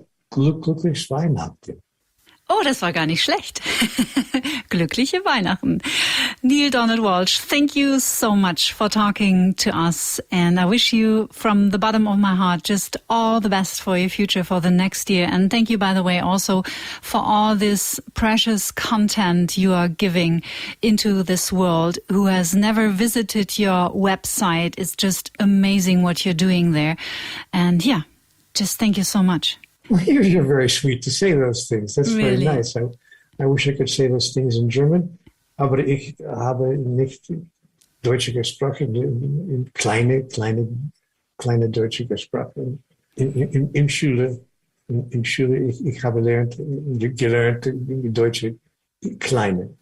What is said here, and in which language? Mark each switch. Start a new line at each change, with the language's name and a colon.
German: Glückliches Weihnachten. Oh, das war gar nicht schlecht. Glückliche Weihnachten.
English: Neil Donald Walsh, thank you so much for talking to us. And I wish you from the bottom of my heart just all the best for your future for the next year. And thank you, by the way, also for all this precious content you are giving into this world who has never visited your website. It's just amazing what you're doing there. And yeah, just thank you so much. You're very sweet to say those things. That's really? Very nice. I wish I could say those things in German,
German: aber ich habe nicht deutsche Sprache,
English: kleine deutsche Sprache.
German: In Schule, ich habe gelernt deutsche kleine.